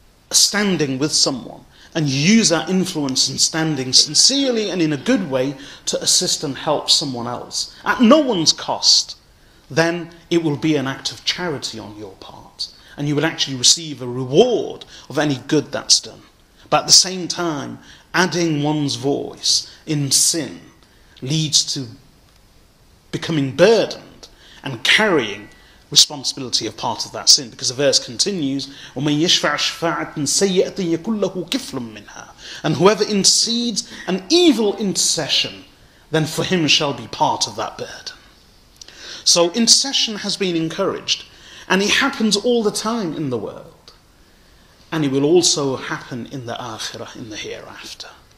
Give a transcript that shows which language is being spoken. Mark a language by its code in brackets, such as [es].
[en] a standing with someone, and you use that influence and standing sincerely and in a good way to assist and help someone else, at no one's cost, then it will be an act of charity on your part, and you will actually receive a reward of any good that's done. But at the same time, adding one's voice in sin leads to becoming burdened and carrying responsibility of part of that sin. Because the verse continues, [ar] وَمَنْ يَشْفَعْ شَفَاعَةً سَيِّئَةً يَكُنْ لَهُ كِفْلٌ مِّنْهَا. [en] And whoever intercedes an evil intercession, then for him shall be part of that burden. So intercession has been encouraged, and it happens all the time in the world. And it will also happen in the Akhirah, in the hereafter.